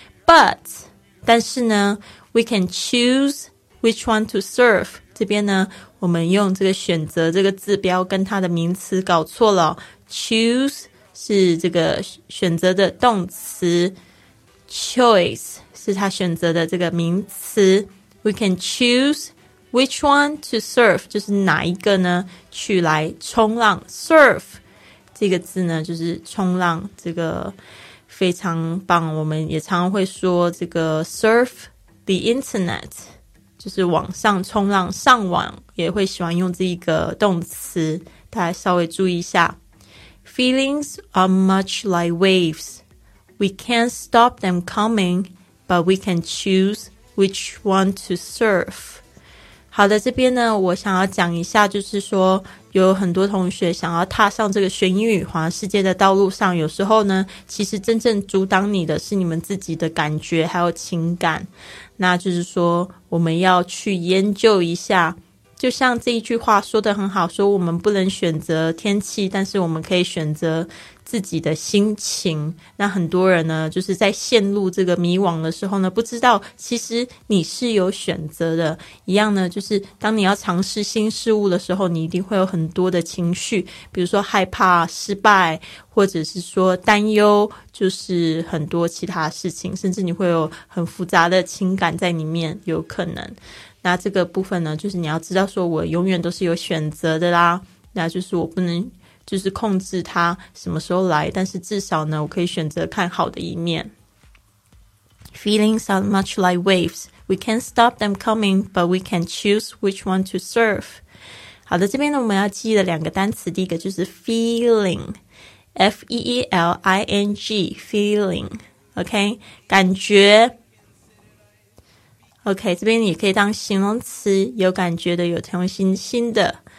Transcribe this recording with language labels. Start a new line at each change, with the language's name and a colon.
Chinese: But 但是呢
English: We can choose which one to surf，
Chinese: 这边呢我们用这个选择这个字，不要跟它的名词搞错了。 Choose 是这个选择的动词 ，choice 是它选择的这个名词。
English: We can choose which one to surf，
Chinese: 就是哪一个呢？去来冲浪 ，surf 这个字呢，就是冲浪，这个非常棒。我们也常常会说这个
English: surf the internet。
Chinese: 就是网上冲浪，上网也会喜欢用这一个动词，大家稍微注意一下。
English: Feelings are much like waves. We can't stop them coming, but we can choose which one to surf.
Chinese: 好的，这边呢，我想要讲一下，就是说有很多同学想要踏上这个学英语环游世界的道路上，有时候呢，其实真正阻挡你的是你们自己的感觉还有情感。那就是说我们要去研究一下，就像这一句话说得很好，说我们不能选择天气，但是我们可以选择自己的心情。那很多人呢就是在陷入这个迷惘的时候呢，不知道其实你是有选择的。一样呢，就是当你要尝试新事物的时候，你一定会有很多的情绪，比如说害怕失败，或者是说担忧，就是很多其他事情，甚至你会有很复杂的情感在里面，有可能。那这个部分呢，就是你要知道说我永远都是有选择的啦，那就是我不能就是控制它什么时候来，但是至少呢我可以选择看好的一面。
English: Feelings are much like waves. We can't stop them coming, but we can choose which one to surf.
Chinese: 好的，这边呢我们要记的两个单词，第一个就是 feeling， F-E-E-L-I-N-G， feeling， OK， 感觉。 OK， 这边也可以当形容词，有感觉的，有同情心的。